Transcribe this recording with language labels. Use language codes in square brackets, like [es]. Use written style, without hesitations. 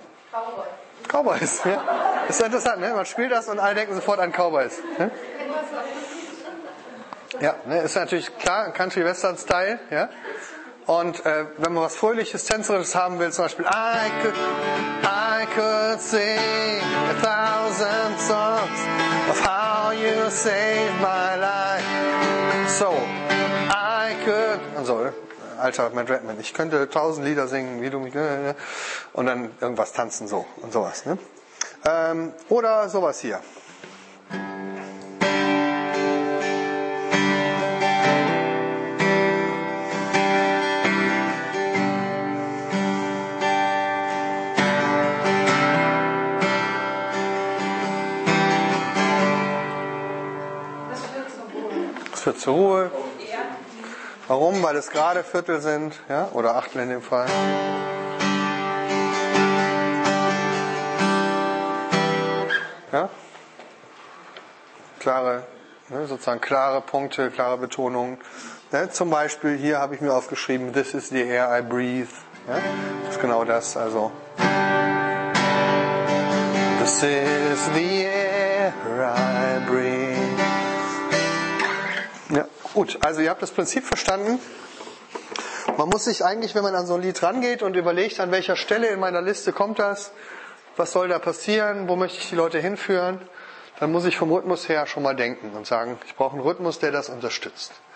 [de] Cowboys. Cowboys, ja. Ist ja interessant, ne? Man spielt das und alle denken sofort an Cowboys. Ne? Ja, ne? Ist natürlich klar, Country-Western-Style, ja. Und wenn man was Fröhliches, Tänzerisches haben will, zum Beispiel [en] I could sing a thousand songs of how you saved my life. [de] So, [en] I could, [de] also, alter Matt Redman, ich könnte 1000 Lieder singen, wie du mich, und dann irgendwas tanzen so und sowas. Ne? Oder sowas hier. Für zur Ruhe. Warum? Weil es gerade Viertel sind, ja, oder Achtel in dem Fall. Ja? Klare, ne, sozusagen klare Punkte, klare Betonungen. Ne? Zum Beispiel hier habe ich mir aufgeschrieben, [en] this is the air I breathe. [de] Ja? Das ist genau das, also. [en] This is the air I breathe. [de] Gut, also ihr habt das Prinzip verstanden. Man muss sich eigentlich, wenn man an so ein Lied rangeht und überlegt, an welcher Stelle in meiner Liste kommt das, was soll da passieren, wo möchte ich die Leute hinführen, dann muss ich vom Rhythmus her schon mal denken und sagen, ich brauche einen Rhythmus, der das unterstützt.